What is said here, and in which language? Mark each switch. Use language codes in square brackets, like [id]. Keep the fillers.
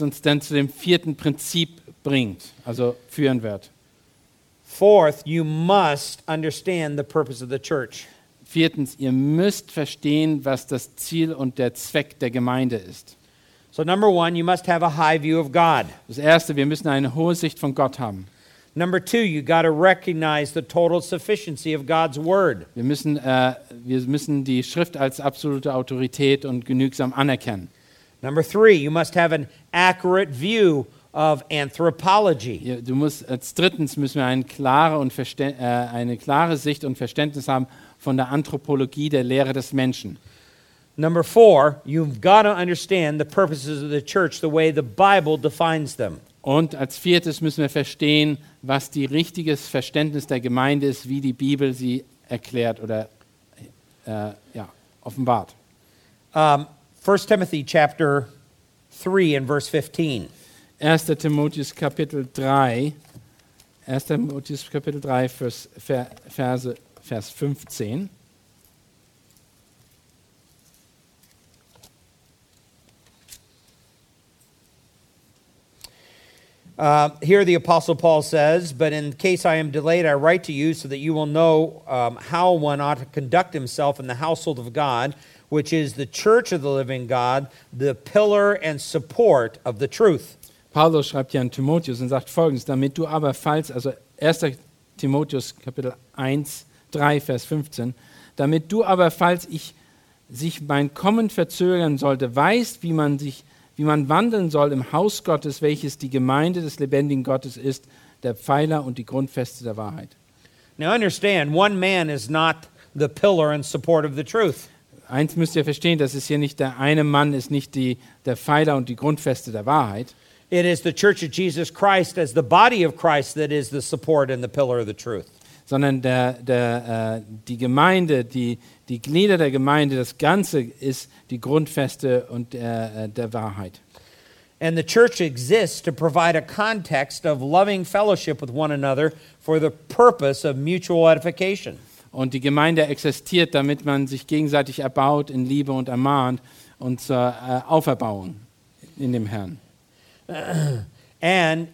[de] uns dann zu dem vierten Prinzip Bringt, also führen wird. [en] Fourth, [de] Viertens, ihr müsst verstehen, was das Ziel und der Zweck der Gemeinde ist. [en] So one, [de] das erste, wir müssen eine hohe Sicht von Gott haben. [en] Number two, you got to recognize the total sufficiency of God's word. [de] Wir müssen, äh, wir müssen die Schrift als absolute Autorität und genügsam anerkennen. [en] Number three, you must have an accurate view. of of anthropology. [de] Ja, du musst als drittens müssen wir eine klare, äh, eine klare Sicht und Verständnis haben von der Anthropologie der Lehre des Menschen. [en] Number four, you've got to understand the purposes of the church the way the Bible defines them. [de] Und als viertes müssen wir verstehen, was die richtige Verständnis der Gemeinde ist, wie die Bibel sie erklärt oder äh, ja, offenbart. [en] Um, 1 Timothy chapter 3 and verse 15. 1. [de] Timotheus Kapitel 3, 1. Timotheus Kapitel 3, Verse, 15. [en] here the apostle paul says but in case i am delayed i write to you so that you will know um, how one ought to conduct himself in the household of god which is the church of the living god the pillar and support of the truth [de] Paulus schreibt ja an Timotheus und sagt folgendes, damit du aber falls, also 1. Timotheus Kapitel 1, 3, Vers 15, damit du aber falls ich sich mein Kommen verzögern sollte, weißt, wie man sich, wie man wandeln soll im Haus Gottes, welches die Gemeinde des lebendigen Gottes ist, der Pfeiler und die Grundfeste der Wahrheit. [en] Now understand, one man is not the pillar and support of the truth. [de] Eins müsst ihr verstehen, das ist hier nicht der eine Mann ist nicht die, der Pfeiler und die Grundfeste der Wahrheit. [en] It is the church of Jesus Christ as the body of Christ that is the support and the pillar of the truth. [de] Sondern der, der, äh, die Gemeinde, die, die Glieder der Gemeinde, das Ganze ist die Grundfeste und äh, der Wahrheit. [en] And the church exists to provide a context of loving fellowship with one another for the purpose of mutual edification. [de] Und die Gemeinde existiert, damit man sich gegenseitig erbaut in Liebe und ermahnt und zur uh, äh, Auferbauung in dem Herrn and